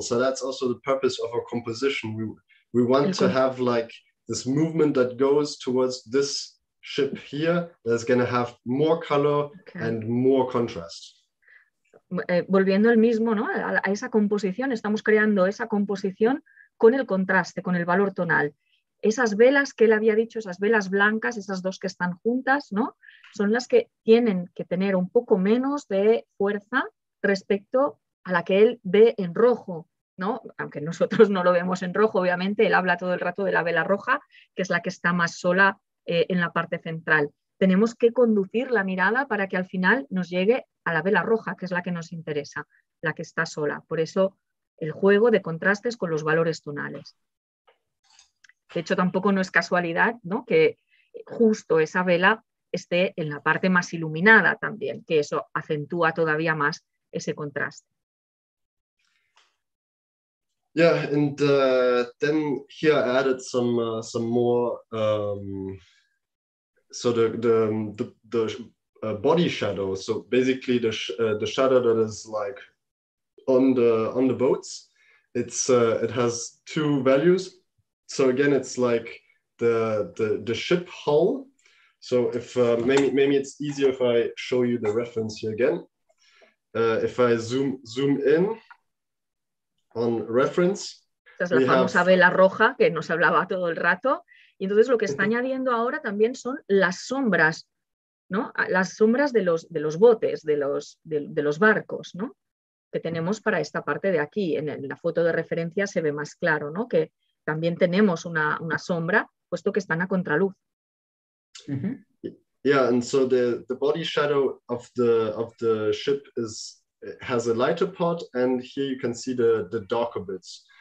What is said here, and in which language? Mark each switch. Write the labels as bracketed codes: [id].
[en] So that's also the purpose of our composition. We want to have like this movement that goes towards this ship here that's going to have more color and more contrast. [es] Volviendo al mismo, ¿no? A esa composición, estamos creando esa composición con el contraste, con el valor tonal. Esas velas que él había dicho, esas velas blancas, esas dos que están juntas, ¿no? Son las que tienen que tener un poco menos de fuerza respecto a la que él ve en rojo, ¿no? Aunque nosotros no lo vemos en rojo, obviamente, él habla todo el rato de la vela roja, que es la que está más sola en la parte central. Tenemos que conducir la mirada para que al final nos llegue a la vela roja, que es la que nos interesa, la que está sola. Por eso el juego de contrastes con los valores tonales. De hecho, tampoco no es casualidad, ¿no? Que justo esa vela esté en la parte más iluminada también, que eso acentúa todavía más ese contraste. [en] Yeah, and then here I added some more, so the body shadow. So basically the shadow that is like on the boats, it has two values. So again, it's like the ship hull. So if maybe it's easier if I show you the reference here again. If I zoom in on reference, [es] entonces, la famosa vela roja que nos hablaba todo el rato. Y entonces lo que está añadiendo ahora también son las sombras, ¿no? Las sombras de los botes, de los barcos, ¿no? Que tenemos para esta parte de aquí. En la foto de referencia se ve más claro, ¿no? Que también tenemos una sombra, puesto que están a contraluz. Mm-hmm. [en] Yeah, and so the body shadow of the ship has a lighter part, and here you can see the darker bits.